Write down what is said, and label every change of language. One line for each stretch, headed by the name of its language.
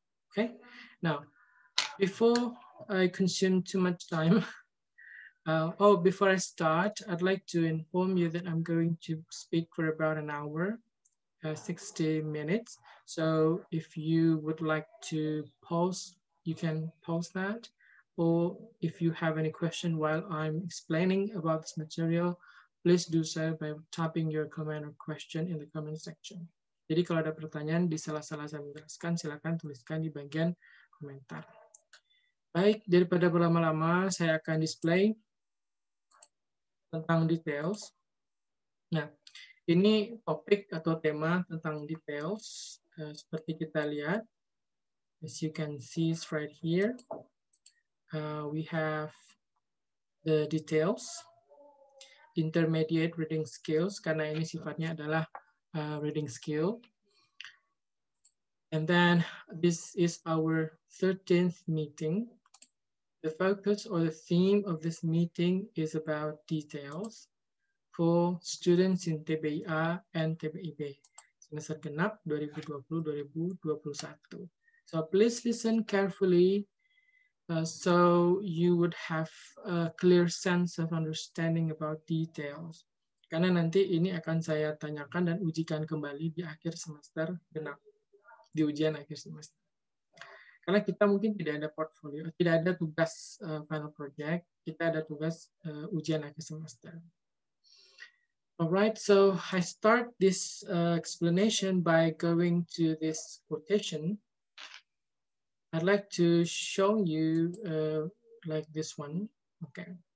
English: Okay, now, before I consume too much time, before I start, I'd like to inform you that I'm going to speak for about an hour, 60 minutes. So if you would like to pause, you can pause that. Or if you have any question while I'm explaining about this material, please do so by typing your comment or question in the comment section.
Indonesian: Jadi kalau ada pertanyaan di salah-salah saya menjelaskan, silakan tuliskan di bagian komentar. Baik, daripada berlama-lama, saya akan display tentang details. Nah, ini topik atau tema tentang details. Seperti kita lihat,
English: as you can see it's right here. We have the details, intermediate reading skills,
Indonesian: karena ini sifatnya adalah reading skill.
English: And then this is our 13th meeting. The focus or the theme of this meeting is about details for students in TBI-A and TBI-B, semester genap 2020-2021. So please listen carefully. So you would have a clear sense of understanding about details.
Indonesian: Karena nanti ini akan saya tanyakan dan ujikan kembali di akhir semester genap, di ujian akhir semester. Karena kita mungkin tidak ada portfolio, tidak ada tugas final project, kita ada tugas ujian akhir semester.
English: Alright, so I start this explanation by going to this quotation. I'd like to show you like this one, okay.